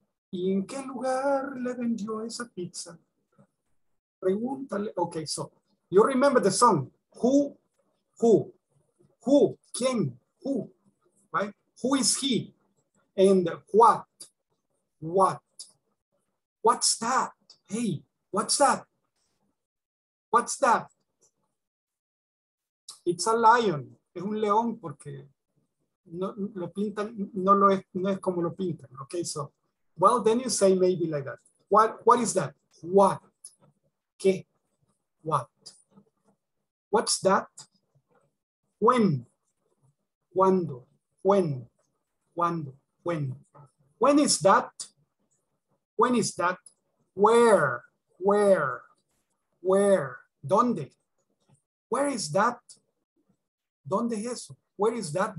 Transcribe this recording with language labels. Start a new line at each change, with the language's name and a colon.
Spanish: ¿Y en qué lugar le vendió esa pizza? Pregúntale.
English: Okay, so. You remember the song, who,
Spanish: quién,
English: who, right? Who is he? And what? What's that? Hey, what's that? It's a lion.
Spanish: Es un león porque no es como lo pintan.
English: Okay, so, well, then you say maybe like that. What is that? What?
Spanish: ¿Qué?
English: What? What's that? When?
Spanish: Cuando?
English: When? Cuando? When? When is that? When is that? Where? Where? Where?
Spanish: Donde?
English: Where is that?
Spanish: Donde es eso?
English: Where is that?